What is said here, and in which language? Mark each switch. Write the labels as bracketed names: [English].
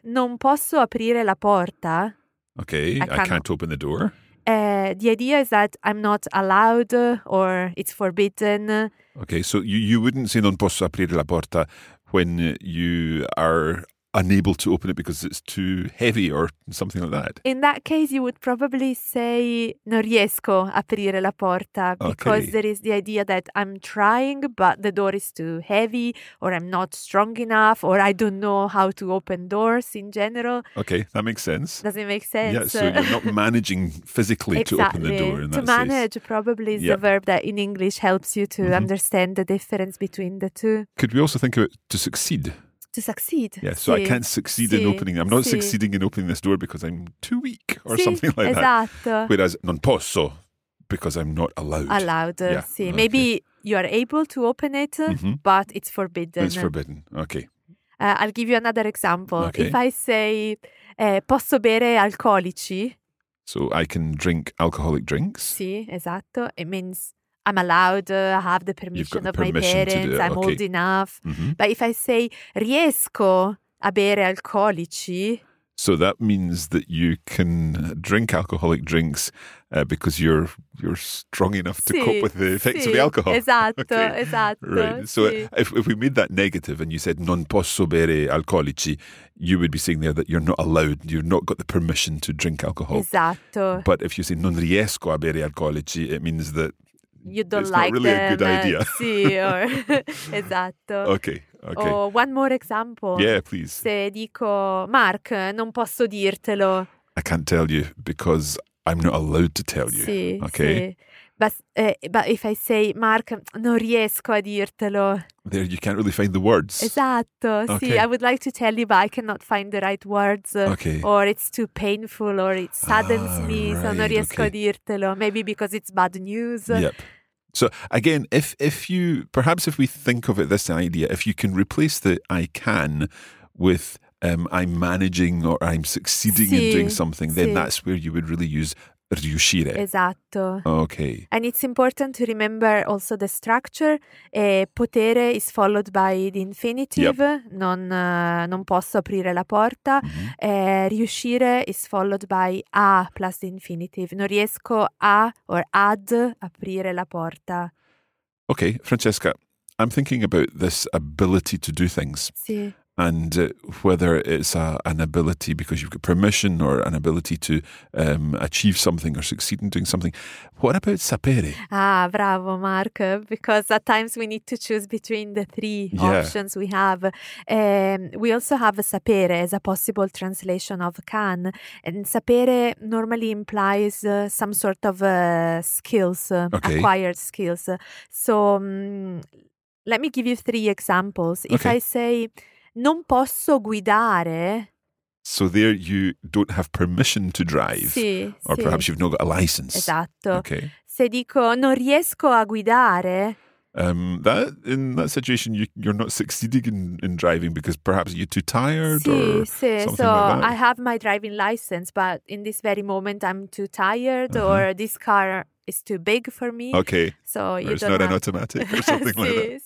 [Italian] Non posso aprire la porta. [English] Okay, I can't open the door. The idea is that I'm not allowed or it's forbidden. Okay, so you wouldn't say [Italian] non posso aprire la porta [English] when you are unable to open it because it's too heavy or something like that. In that case, you would probably say [Italian] non riesco aprire la porta [English] because okay. there is the idea that I'm trying, but the door is too heavy or I'm not strong enough or I don't know how to open doors in general. Okay, that makes sense. Does it make sense? Yeah, so you're not managing physically exactly. to open the door in that to manage case. Probably is yep. the verb that in English helps you to mm-hmm. understand the difference between the two. Could we also think of it to succeed? To succeed. Yeah, so sì. I can't succeed sì. In opening. I'm not sì. Succeeding in opening this door because I'm too weak or [Italian] sì, [English] something like [Italian] esatto. [English] that. Whereas [Italian] non posso [English] because I'm not allowed. Allowed, yeah. sì. Okay. Maybe you are able to open it, mm-hmm. but it's forbidden. It's forbidden, okay. I'll give you another example. Okay. If I say [Italian] posso bere alcolici. [English] So I can drink alcoholic drinks. [Italian] Sì, esatto. [English] It means... I'm allowed, I have the permission of permission my parents, okay. I'm old enough. Mm-hmm. But if I say, [Italian] riesco a bere alcolici... [English] So that means that you can drink alcoholic drinks because you're strong enough to cope with the effects of the alcohol. [Italian] Esatto, okay. Esatto. [English] Right. So if we made that negative and you said [Italian] non posso bere alcolici, [English] you would be saying there that you're not allowed, you've not got the permission to drink alcohol. [Italian] Esatto. [English] But if you say [Italian] non riesco a bere alcolici, [English] it means that you don't it's like not really them. A good idea. [Italian] Sì, or, esatto. [English] Okay. Okay. Oh, one more example. Yeah, please. [Italian] Se dico, Mark, non posso dirtelo. [English] I can't tell you because I'm not allowed to tell you. [Italian] Sì, okay. Sì. [English] But if I say, Mark, [Italian] non riesco a dirtelo. [English] There, you can't really find the words. [Italian] Esatto. Okay. [English] Sì, I would like to tell you, but I cannot find the right words. Okay. Or it's too painful, or it saddens me, right, so [Italian] non riesco a dirtelo. [English] Maybe because it's bad news. Yep. So again, if we think of it, this idea, if you can replace the I can with I'm managing or I'm succeeding in doing something, then that's where you would really use riuscire. [Italian] Esatto. [English] Okay. And it's important to remember also the structure. Potere is followed by the infinitive. Yep. [Italian] Non posso aprire la porta. Mm-hmm. [English] Riuscire is followed by a plus the infinitive. [Italian] Non riesco a or ad aprire la porta. [English] Okay, Francesca, I'm thinking about this ability to do things. [Italian] Sì. [English] And whether it's an ability because you've got permission or an ability to achieve something or succeed in doing something. What about sapere? [Italian] Ah, bravo, Mark. [English] Because at times we need to choose between the three options we have. We also have sapere as a possible translation of can. And sapere normally implies some sort of skills, okay. Acquired skills. So let me give you three examples. If okay. I say... [Italian] Non posso guidare. [English] So there you don't have permission to drive. [Italian] Sì, [English] or perhaps you've not got a license. [Italian] Esatto. [English] Okay. [Italian] Se dico non riesco a guidare. [English] In that situation, you're not succeeding in driving because perhaps you're too tired So I have my driving license, but in this very moment I'm too tired uh-huh. or this car... It's too big for me. Okay. So it's not an automatic or something like that.